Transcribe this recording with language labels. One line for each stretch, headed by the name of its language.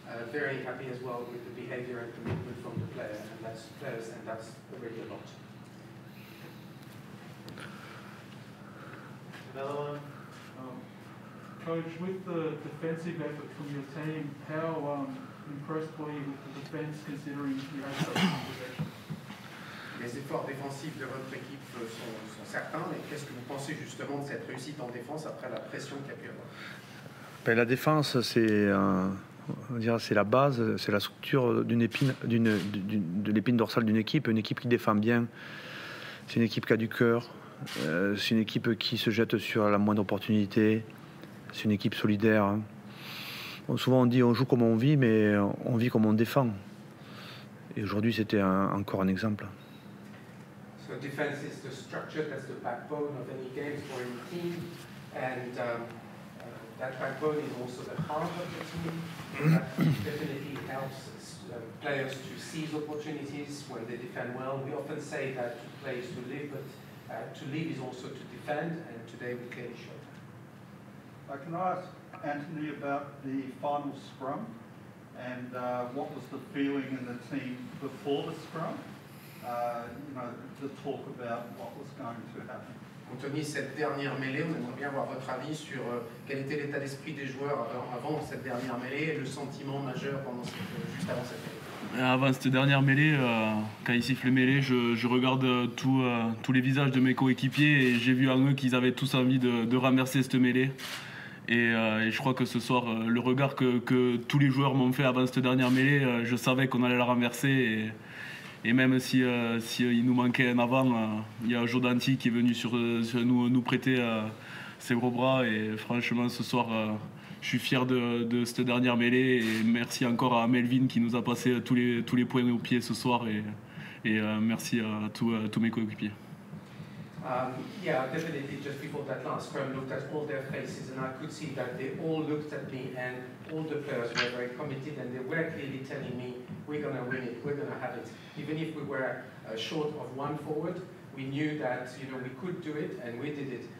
English: Very happy as well with the behavior and commitment from the players, and that's players, and that's already a lot. Another one. Coach, with the defensive effort from your team, how impressed were you with the defense considering you had such a
French: Les efforts défensifs de votre équipe sont certains. Et qu'est-ce que vous pensez justement de cette réussite en défense après la pression qu'il y a pu avoir? La défense, c'est la base, c'est la structure de l'épine dorsale d'une équipe. Une équipe qui défend bien, c'est une équipe qui a du cœur, c'est une équipe qui se jette sur la moindre opportunité, c'est une équipe solidaire. Souvent on dit on joue comme on vit, mais on vit comme on défend. Et aujourd'hui, c'était encore un exemple.
English: So defense is the structure, that's the backbone of any game for any team, and that backbone is also the heart of the team. That definitely helps players to seize opportunities when they defend well. We often say that to play is to live, but to live is also to defend, and today we clearly showed that. I can ask Anthony about the final scrum, and what was the feeling in the team before the scrum?
French: Anthony, cette dernière mêlée, on aimerait bien avoir votre avis sur quel était l'état d'esprit des joueurs avant cette dernière mêlée et le sentiment majeur juste avant cette mêlée. Avant cette dernière mêlée, quand ils sifflent les mêlées, je regarde tous les visages de mes coéquipiers et j'ai vu en eux qu'ils avaient tous envie de ramasser cette mêlée. Et je crois que ce soir, le regard que tous les joueurs m'ont fait avant cette dernière mêlée, je savais qu'on allait la ramasser. Et même si il nous manquait un avant, il y a Jodanti qui est venu nous prêter ses gros bras. Et franchement, ce soir, je suis fier de cette dernière mêlée. Et merci encore à Melvin qui nous a passé tous les points au pied ce soir. Et merci à tous mes coéquipiers.
English: Definitely just before that last scrum, looked at all their faces and I could see that they all looked at me and all the players were very committed and they were clearly telling me, we're going to win it, we're going to have it. Even if we were short of one forward, we knew that, you know, we could do it and we did it.